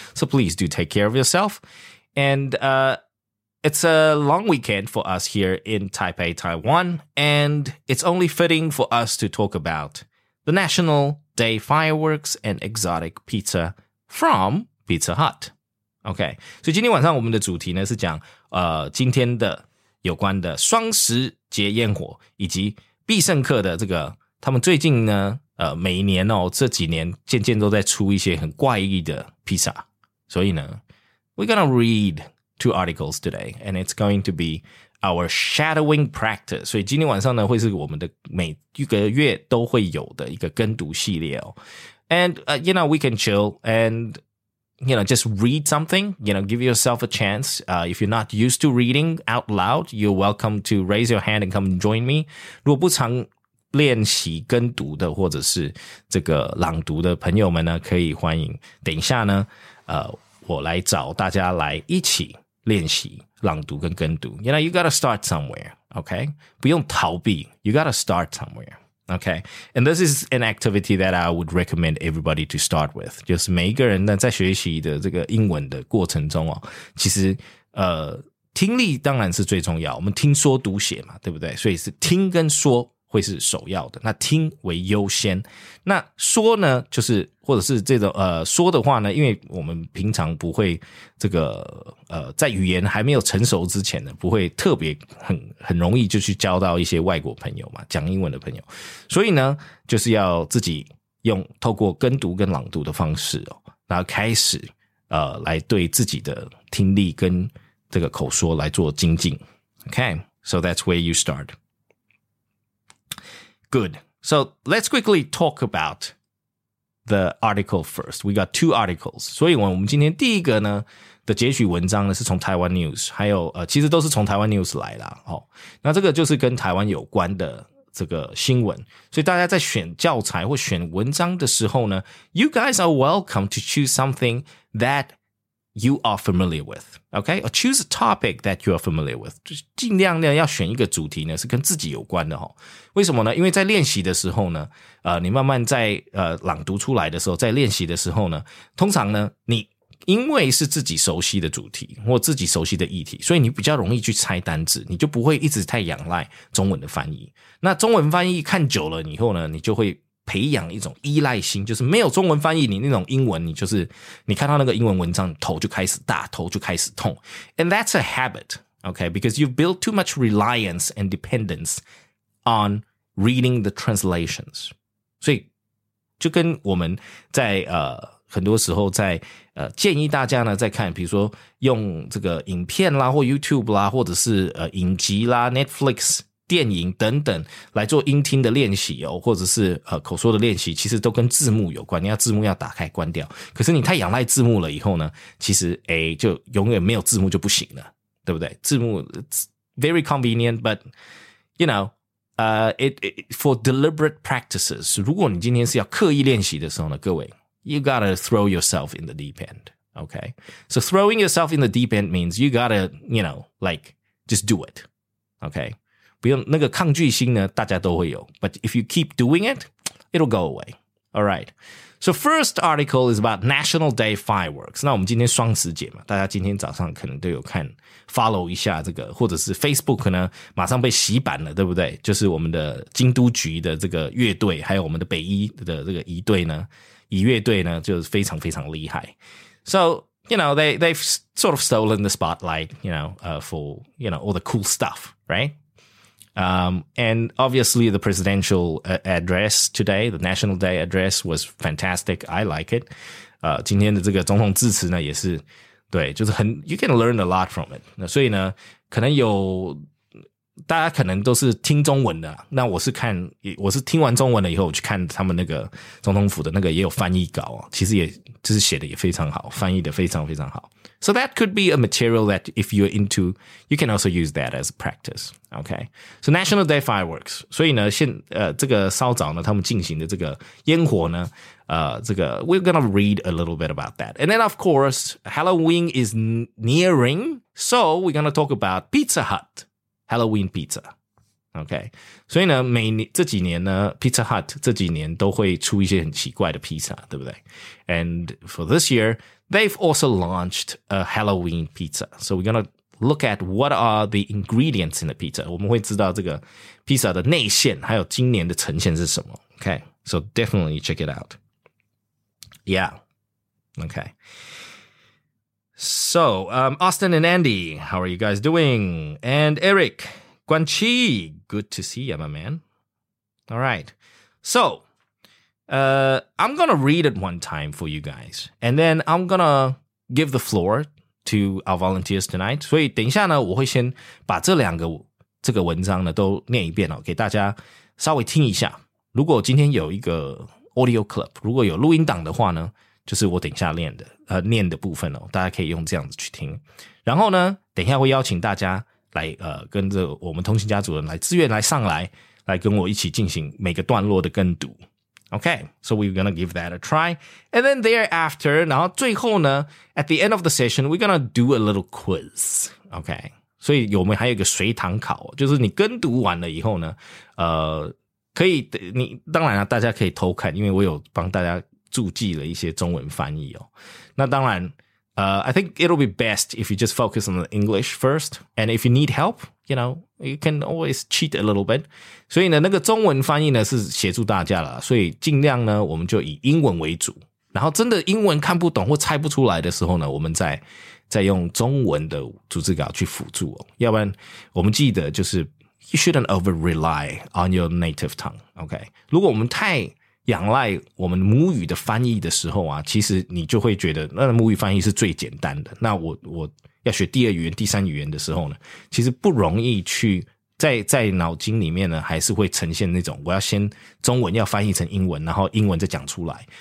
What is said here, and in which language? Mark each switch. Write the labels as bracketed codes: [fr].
[en] So, please do take care of yourself. And it's a long weekend for us here in Taipei, Taiwan. And it's only fitting for us to talk about the National Day fireworks and exotic pizza from Pizza Hut. Okay. [zh] So, 今天晚上我们的主题呢是讲今天的有关的双十节烟火以及必胜客的这个，他们最近呢，每一年哦，这几年渐渐都在出一些很怪异的披萨。所以呢 [en] ，we're gonna read two articles today, and it's going to be our shadowing practice. [zh] 所以今天晚上呢，会是我们的每一个月都会有的一个跟读系列哦。 [en] And you know, we can chill and. You know, just read something, you know, give yourself a chance. If you're not used to reading out loud, you're welcome to raise your hand and come join me. [zh] 如果不常练习跟读的或者是这个朗读的朋友们呢，可以欢迎等一下呢，我来找大家来一起练习朗读跟跟读。 [en] You know, you gotta start somewhere, okay? [zh] 不用逃避 [en] you gotta start somewhere. Okay, and this is an activity that I would recommend everybody to start with. [zh] 就是每一个人呢在学习的这个英文的过程中哦，其实听力当然是最重要，我们听说读写嘛，对不对？所以是听跟说会是首要的，那听为优先。那说呢，就是或者是这种说的话呢，因为我们平常不会这个在语言还没有成熟之前呢，不会特别很容易就去交到一些外国朋友嘛，讲英文的朋友。所以呢，就是要自己用透过跟读跟朗读的方式哦，然后开始来对自己的听力跟这个口说来做精进。 [en] Okay, so that's where you start. Good. So let's quickly talk about the article first. We got two articles. [zh] 所以我们今天第一个呢的截取文章呢是从台湾 news, 还有其实都是从台湾 news 来啦、哦。那这个就是跟台湾有关的这个新闻。所以大家在选教材或选文章的时候呢 [en] ,you guys are welcome to choose something that you are familiar with. Okay? Or choose a topic that you are familiar with. [zh] 尽量呢要选一个主题呢是跟自己有关的、哦。为什么呢？因为在练习的时候呢，你慢慢在朗读出来的时候，在练习的时候呢，通常呢，你因为是自己熟悉的主题或自己熟悉的议题，所以你比较容易去猜单字，你就不会一直太仰赖中文的翻译。那中文翻译看久了以后呢，你就会培养一种依赖心，就是没有中文翻译，你那种英文，你就是你看到那个英文文章，头就开始大，头就开始痛。 [en] And that's a habit, okay? Because you've built too much reliance and dependence. On reading the translations. [zh] 所以就跟我们在很多时候在建议大家呢在看比如说用这个影片啦或 YouTube 啦或者是影集啦 Netflix 电影等等来做音听的练习哦或者是口说的练习其实都跟字幕有关你要字幕要打开关掉。可是你太仰赖字幕了以后呢其实就永远没有字幕就不行了对不对字幕 [en] it's very convenient, but, you know,for deliberate practices, [zh] 如果你今天是要刻意练习的时候呢各位 [en] you gotta throw yourself in the deep end. Okay. So throwing yourself in the deep end means you gotta, you know, like, just do it. Okay. [zh] 不用那个抗拒心呢，大家都会有。 [en] But if you keep doing it, it'll go away. All right. So first article is about National Day fireworks. [zh] 那我们今天双十节嘛，大家今天早上可能都有看 follow 一下这个，或者是 Facebook 呢马上被洗版了，对不对？就是我们的京都局的这个乐队，还有我们的北一的这个仪队呢，仪乐队呢，就是非常非常厉害。 [en] So, you know, they've sort of stolen the spotlight, you know, for, you know, all the cool stuff, right? And obviously the presidential address today, the National Day address was fantastic. I like it. [zh] 今天的这个总统致辞呢也是对就是很 [en] you can learn a lot from it. [zh] 那所以呢可能有大家可能都是听中文的那我是看我是听完中文了以后我去看他们那个总统府的那个也有翻译稿其实也就是写的也非常好翻译的非常非常好。 [en] So that could be a material that if you're into, you can also use that as a practice. Okay. So National Day fireworks. [zh] 所以呢现这个稍早呢他们进行的这个烟火呢这个 [en] we're gonna read a little bit about that. And then of course, Halloween is nearing. So we're gonna talk about Pizza Hut. Halloween pizza. Okay. [zh] 所以呢每这几年呢 Pizza Hut 这几年都会出一些很奇怪的 pizza, 对不对 [en] And for this year,They've also launched a Halloween pizza. So we're going to look at what are the ingredients in the pizza. [zh] 我们会知道这个 pizza 的内馅还有今年的呈现是什么。 [en] Okay, so definitely check it out. Yeah, okay. So, Austin and Andy, how are you guys doing? And Eric, Guan Qi, good to see you, my man. All right, so... I'm going to read it one time for you guys. And then I'm going to give the floor to our volunteers tonight. [zh] 所以等一下呢我会先把这两个这个文章呢都念一遍哦给大家稍微听一下。如果今天有一个 audio clip, 如果有录音档的话呢就是我等一下念的念的部分哦大家可以用这样子去听。然后呢等一下会邀请大家来跟着我们通信家族人来自愿来上来来跟我一起进行每个段落的跟读。 [en] Okay, so we're going to give that a try. And then thereafter, [zh] 然后最后呢 [en] at the end of the session, we're going to do a little quiz. [zh] Okay, 所以我们还有一个随堂考就是你跟读完了以后呢可以你当然大家可以偷看因为我有帮大家注记了一些中文翻译哦。那当然 [en] I think it'll be best if you just focus on the English first. And if you need help, you know, you can always cheat a little bit. [zh] 所以呢那个中文翻译呢是协助大家啦。所以尽量呢我们就以英文为主。然后真的英文看不懂或猜不出来的时候呢我们再用中文的逐字稿去辅助哦。要不然我们记得就是 [en] you shouldn't over rely on your native tongue, okay? [zh] 如果我们太仰赖我们母语的翻译的时候啊，其实你就会觉得那母语翻译是最简单的。那我要学第二语言、第三语言的时候呢，其实不容易去在脑筋里面呢，还是会呈现那种我要先中文要翻译成英文，然后英文再讲出来。